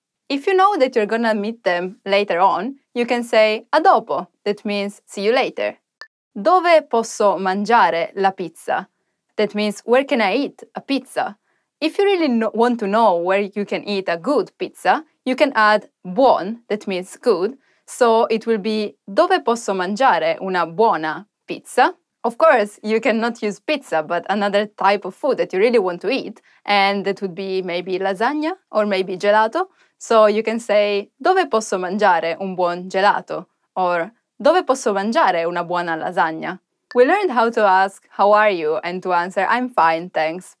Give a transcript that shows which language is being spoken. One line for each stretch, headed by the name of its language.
English: If you know that you're gonna meet them later on, you can say
Italian: a dopo,
English: that means see you later.
Italian: Dove posso mangiare la pizza?
English: That means where can I eat a pizza? If you really want to know where you can eat a good pizza, you can add buon, that means good. So it will be
Italian: dove posso mangiare una buona pizza?
English: Of course, you cannot use pizza, but another type of food that you really want to eat, and that would be maybe lasagna or maybe gelato. So you can say
Italian: dove posso mangiare un buon gelato?
English: Or
Italian: dove posso mangiare una buona lasagna?
English: We learned how to ask how are you and to answer I'm fine, thanks.